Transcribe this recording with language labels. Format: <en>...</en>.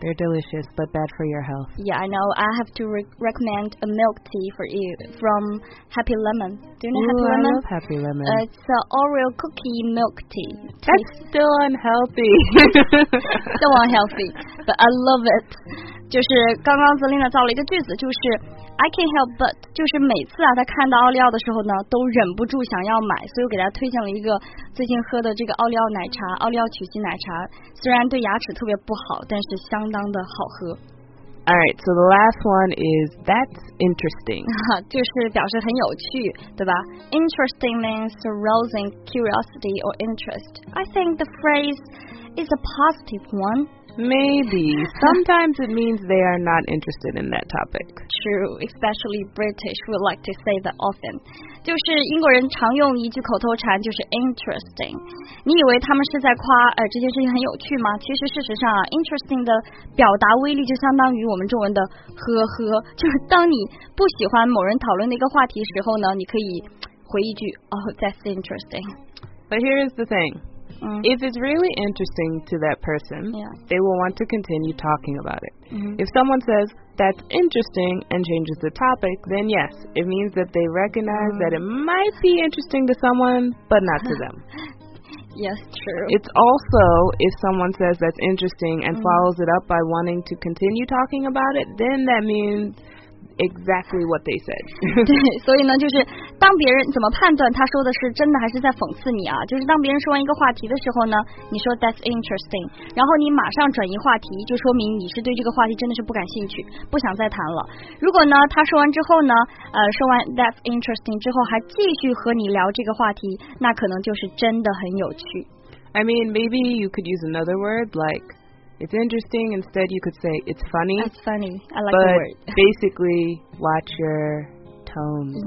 <en>They're delicious, but bad for your health. Yeah, I know. I have to recommend a milk tea for you from Happy Lemon. Do you know Happy Lemon? I love Happy Lemon. It's an Oreo cookie milk tea. That's still unhealthy. Still unhealthy, but I love it.</en> <zh>就是刚刚 Zelina 造了一个句子，就是</zh> <en>I can't help but</en> <zh>就是每次啊他看到奥利奥的时候呢都忍不住想要买，所以我给他推荐了一个最近喝的这个奥利奥奶茶，奥利奥曲奇奶茶，虽然对牙齿特别不好，但是相当的好喝。</zh> <en>All right, so the last one is that's interesting.</en> <zh>就是表示很有趣，对吧？</zh> <en>Interesting means arousing curiosity or interest. I think the phrase is a positive one. Maybe. Sometimes it means they are not interested in that topic. True, especially British would like to say that often.</en> <zh>就是英国人常用一句口头禅，就是 interesting。你以为他们是在夸这件事情很有趣吗？其实事实上啊 ，interesting 的表达威力就相当于我们中文的呵呵。就是当你不喜欢某人讨论的一个话题时候呢，你可以回一句 ，</zh> <en>Oh, that's interesting. But here is the thing. If it's really interesting to that person, they will want to continue talking about it. Mm-hmm. If someone says, that's interesting, and changes the topic, then yes, it means that they recognize that it might be interesting to someone, but not to them. Yes, true. It's also if someone says that's interesting and follows it up by wanting to continue talking about it, then that means... Exactly what they said.</en> <zh>对，所以呢，就是当别人怎么判断他说的是真的还是在讽刺你啊？就是当别人说完一个话题的时候呢，你说</zh> <en>that's interesting，</en> <zh>然后你马上转移话题，就说明你是对这个话题真的是不感兴趣，不想再谈了。如果呢，他说完之后呢，说完</zh> <en>that's interesting</en> <zh>之后还继续和你聊这个话题，那可能就是真的很有趣。</zh> <en>I mean, maybe you could use another word like. It's interesting. Instead, you could say it's funny. That's funny. I like the word. But basically, watch your tone.</en>